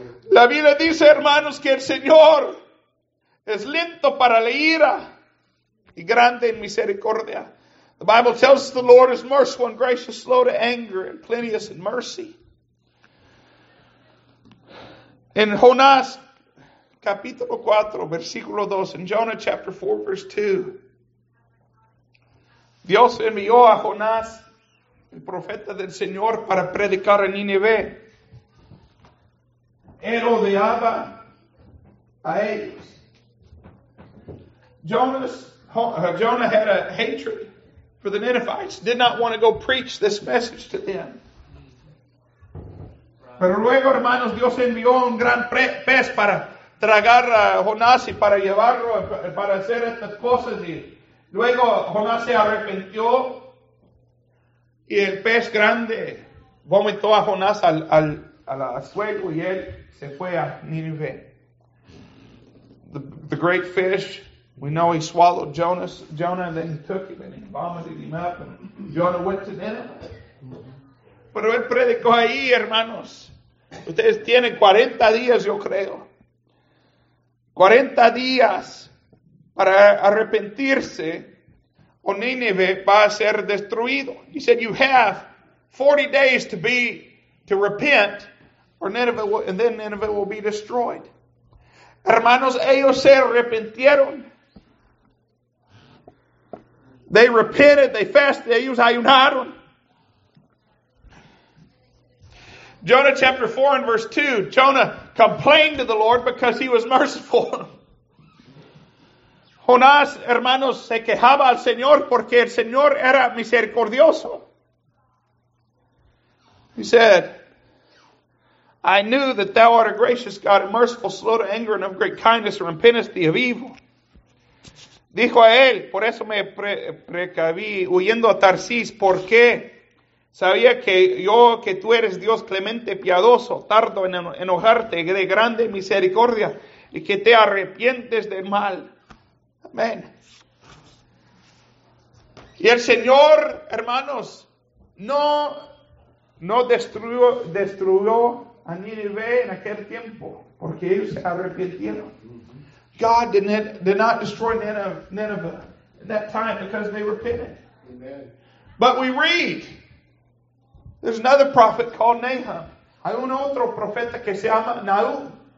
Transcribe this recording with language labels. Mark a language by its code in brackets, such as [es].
[es] La Biblia dice, hermanos, que el Señor es lento para la ira y grande en misericordia. [en] The Bible tells us the Lord is merciful and gracious, slow to anger, and plenteous in mercy. [es] In Jonás, capítulo 4, versículo 2, [en] in Jonah, chapter 4, verse 2, [es] Dios envió a Jonás, el profeta del Señor, para predicar a Nínive. Él odiaba a ellos. [en] Jonah had a hatred for the Ninevites, did not want to go preach this message to them. [es] Pero luego, hermanos, Dios envió un gran pez para tragar a Jonás y para llevarlo, para hacer estas cosas. Y luego Jonás se arrepintió y el pez grande vomitó a Jonás al suelo y él se fue a Nínive. [en] The great fish, we know he swallowed Jonah, and then he took him and he vomited him up, and Jonah went to Nineveh. [es] Pero él predicó ahí, hermanos. Ustedes tienen 40 días, yo creo. 40 días para arrepentirse o Nínive va a ser destruido. [en] He said, you have 40 days to repent, or Nineveh will, and then Nineveh will be destroyed. [es] Hermanos, ellos se arrepintieron. [en] They repented, they fasted, [es] ellos ayunaron. [en] Jonah chapter 4 and verse 2. Jonah complained to the Lord because he was merciful. [es] Jonás, hermanos, se quejaba al Señor porque el Señor era misericordioso. [en] He said, I knew that thou art a gracious God, and merciful, slow to anger, and of great kindness, and repentest thee of evil. [es] Dijo a él, por eso me precaví huyendo a Tarsis, porque Sabía que yo, que tú eres Dios clemente, piadoso, tardo en enojarte, de grande misericordia, y que te arrepientes del mal. Amén. Y el Señor, hermanos, no destruyó a Nínive en aquel tiempo, porque ellos se arrepintieron. [en] God did not destroy Nineveh in that time because they repented. Amen. But we read, there's another prophet called Nahum. [es] Hay un otro profeta que se llama Nahum.